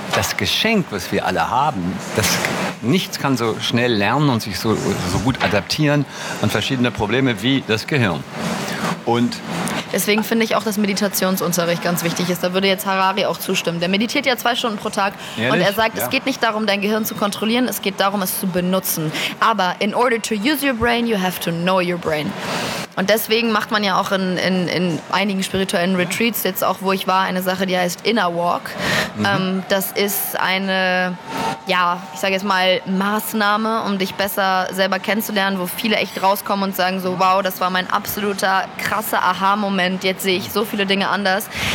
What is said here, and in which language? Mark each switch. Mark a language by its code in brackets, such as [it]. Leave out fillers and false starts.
[de] Das Geschenk, was wir alle haben, das nichts kann so schnell lernen und sich so gut adaptieren an verschiedene Probleme wie das Gehirn. Und deswegen finde ich auch, dass Meditationsunterricht ganz wichtig ist. Da würde jetzt Harari auch zustimmen. Der meditiert ja 2 Stunden pro Tag. Ehrlich? Und er sagt, es geht nicht darum, dein Gehirn zu kontrollieren, es geht darum, es zu benutzen. Aber [en] in order to use your brain, you have to know your brain. [de] Und deswegen macht man ja auch in einigen spirituellen Retreats, jetzt auch wo ich war, eine Sache, die heißt Inner Walk. Das ist eine, ja, ich sage jetzt mal, Maßnahme, um dich besser selber kennenzulernen, wo viele echt rauskommen und sagen so, wow, das war mein absoluter krasser Aha-Moment, jetzt sehe ich so viele Dinge anders.